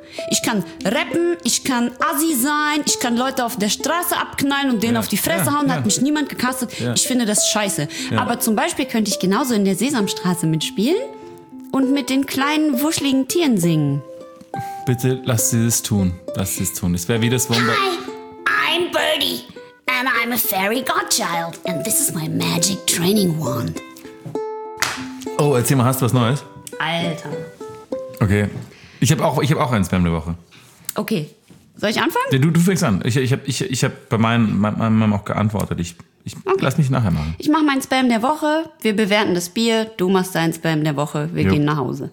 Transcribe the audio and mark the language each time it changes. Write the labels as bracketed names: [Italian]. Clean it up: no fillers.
[German] Ich kann rappen, ich kann Assi sein, ich kann Leute auf der Straße abknallen und denen auf die Fresse hauen, hat mich niemand gecastet. Ja. Ich finde das scheiße. Ja. Aber zum Beispiel könnte ich genauso in der Sesamstraße mitspielen und mit den kleinen, wuscheligen Tieren singen. Bitte lass sie das tun. Lass sie es tun. Es wäre wie das Wunder. [English] Hi, I'm Birdie and I'm a fairy godchild and this is my magic training wand. [German] Oh, erzähl mal, hast du was Neues? Alter. Okay. Ich hab auch einen Spam der Woche. Okay. Soll ich anfangen? Ja, du fängst an. Ich hab bei meinem auch geantwortet. Lass mich nachher machen. Ich mach meinen Spam der Woche. Wir bewerten das Bier. Du machst deinen Spam der Woche. Wir gehen nach Hause.